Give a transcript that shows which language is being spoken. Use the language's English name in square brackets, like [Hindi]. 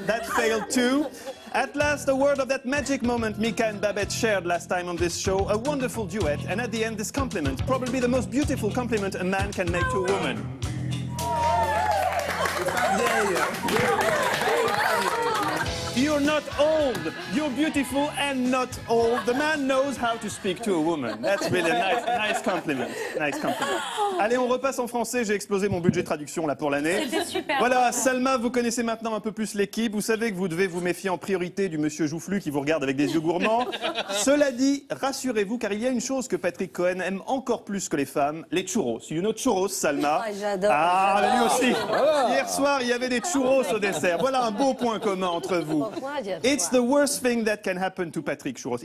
[English] That failed too. At last, a word of that magic moment Mika and Babette shared last time on this show, a wonderful duet, and at the end, this compliment, probably the most beautiful compliment a man can make to a woman. You're not old. You're beautiful and not old. The man knows how to speak to a woman. That's really a nice compliment. Nice compliment. [French] Allez, on repasse en français. J'ai explosé mon budget traduction là pour l'année. C'était super. Voilà, Salma, vous connaissez maintenant un peu plus l'équipe. Vous savez que vous devez vous méfier en priorité du monsieur joufflu qui vous regarde avec des yeux gourmands. Cela dit, rassurez-vous, car il y a une chose que Patrick Cohen aime encore plus que les femmes, les churros. [English] You know churros, Salma? [French] Oh, j'adore. Ah, lui aussi. Oh. Hier soir, il y avait des churros au dessert. Voilà un beau point commun entre vous. [English] It's the worst thing that can happen to Patrick Churros.